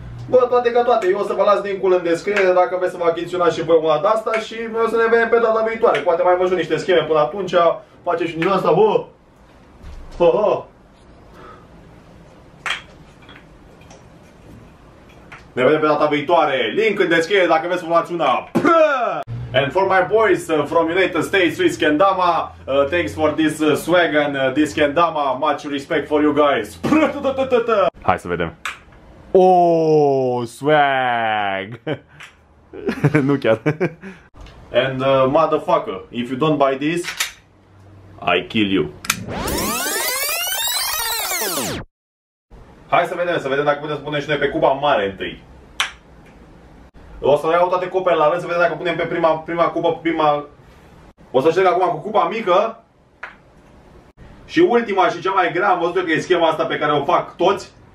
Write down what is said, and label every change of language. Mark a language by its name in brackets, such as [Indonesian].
[Romanian] Bă, toate ca toate, eu o să vă las linkul în descriere dacă vreți să vă achiziționați și voi una de asta și noi o să ne vedem pe data viitoare. Poate mai văd niște scheme până atunci, face și din asta, bă! Ha-ha. Ne vedem pe data viitoare, link în descriere dacă vreți să vă luați una. [English] And for my boys from United States, Swiss Kendama, thanks for this swag and this Kendama, much respect for you guys. [Romanian] Hai să vedem. Oh, swag! Nu chiar. [English] And motherfucker, if you don't buy this, I kill you. [Romanian] Hai să vedem dacă putem spune și noi pe Cuba Mare întâi. O să iau toate cupele la rând, să vedem dacă punem pe prima cupă, prima... O să șterg acum cu cupa mică. Și ultima și cea mai grea, am văzut că e schema asta pe care o fac toți.